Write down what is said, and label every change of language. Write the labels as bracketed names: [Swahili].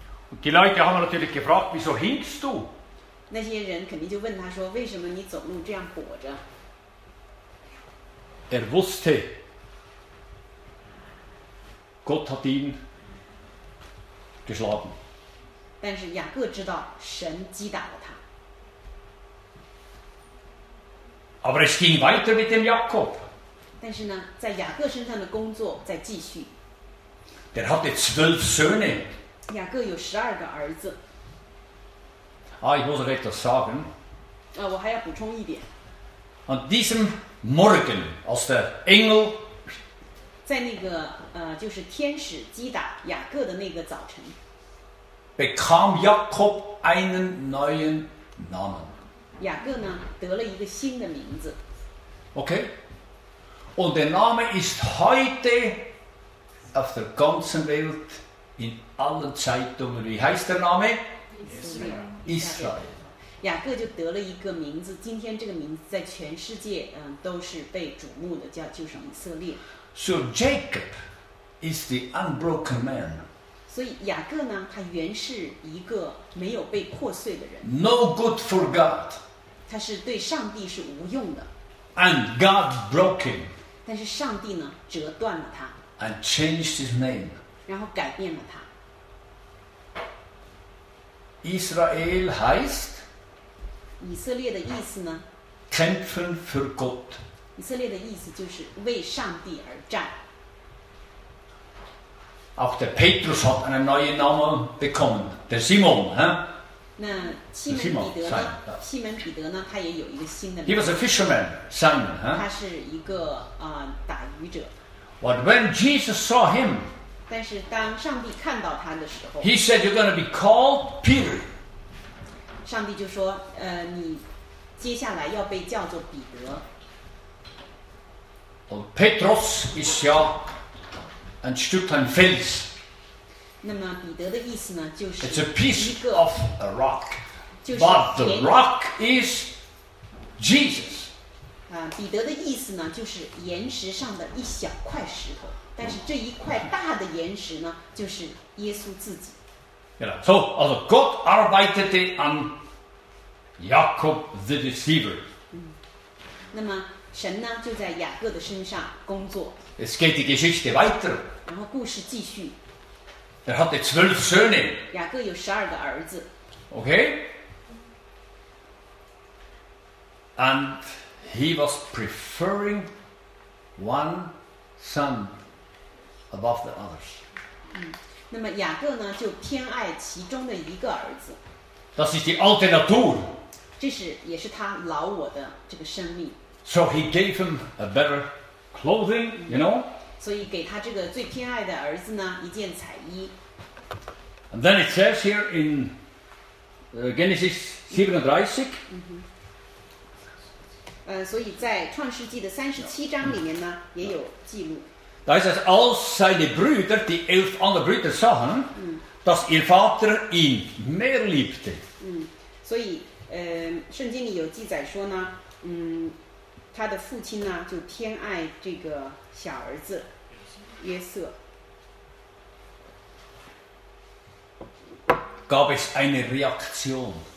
[German] Und die Leute haben natürlich gefragt, wieso hinkst du? [Chinese] 那些人肯定就问他说, 为什么你走路这样裹着? [German] Er wusste, Gott hat ihn geschlagen. [Chinese] 但是雅各知道神击打了他。 [German] Aber es ging weiter mit dem Jakob. [Chinese] 但是呢, 在雅各身上的工作在继续。 [German] Der hatte 12 Söhne. [Chinese] 雅各有12个儿子。 [German] Ah, ich muss noch etwas sagen. [Chinese] 我还要补充一点。 [German] An diesem Morgen, als der Engel [Chinese] 在那个, 就是天使击打雅各的那个早晨, [German] bekam Jakob einen neuen Namen. [Chinese] 雅各呢, 得了一个新的名字。 [English] Okay? [German] Und der Name ist heute auf der ganzen Welt in allen Zeitungen. Wie heißt der Name? Israel. Israel. [Chinese] 雅各就得了一个名字, 今天这个名字在全世界, 都是被瞩目的, 叫, 就是以色列。 [English] So Jacob is the unbroken man. [Chinese] 所以雅各呢, 他原是一个没有被破碎的人。 [English] No good for God. [Chinese] 他是对上帝是无用的。 [English] And God broke him. [Chinese] 但是上帝呢, 折断了他。 [English] And changed his name. [Chinese] 然后改变了他。 [German] Israel heißt? [Chinese] 以色列的意思呢? [German] Kämpfen für Gott. [Chinese] 以色列的意思就是为上帝而战。 [German] Auch der Petrus hat einen neuen Namen bekommen. Der Simon, hä? [Chinese] 那西门彼得呢？西门彼得呢？他也有一个新的名字。 [English] He was a fisherman, Simon, huh? [Chinese] 他是一个, 打鱼者。 [English] But when Jesus saw him, [Chinese] 但是当上帝看到他的时候, [English] he said, "You're going to be called Peter." [Chinese] 上帝就说, 你接下来要被叫做彼得。 [German] Und Petrus ist ja ein Stück ein Fels. [Chinese] 那么彼得的意思呢, [English] it's a piece of a rock. [Chinese] 就是田, [English] but the rock is Jesus. [Chinese] 彼得的意思呢, 就是岩石上的一小块石头, 但是这一块大的岩石呢, 就是耶稣自己。 [English] Yeah, so, [German] also Gott arbeitete an Jakob [English] the deceiver. [Chinese] 那么, 神呢就在雅各的身上工作。 [German] Es geht die Geschichte weiter. [Chinese] 然后故事继续。 [German] Er hatte 12 Söhne. [Chinese] 雅各有十二个儿子。 [English] Okay. And he was preferring one son above the others. [Chinese] 那么雅各呢就偏爱其中的一个儿子。 [German] Das ist die alte Natur. [Chinese] 这是也是他老我的这个生命。 [English] So he gave him a better clothing, you know. [Chinese] 所以给他这个最偏爱的儿子呢一件彩衣。 [English] And then it says here in Genesis 37. [Chinese] 所以在创世纪的三十七章里面呢也有记录。 [German] Da ist es, als seine Brüder, die 11 andere Brüder, sahen, dass ihr Vater ihn mehr liebte. [Chinese] 所以圣经里有记载说呢他的父亲呢就偏爱这个小儿子约瑟。 [German] Gab es eine Reaktion?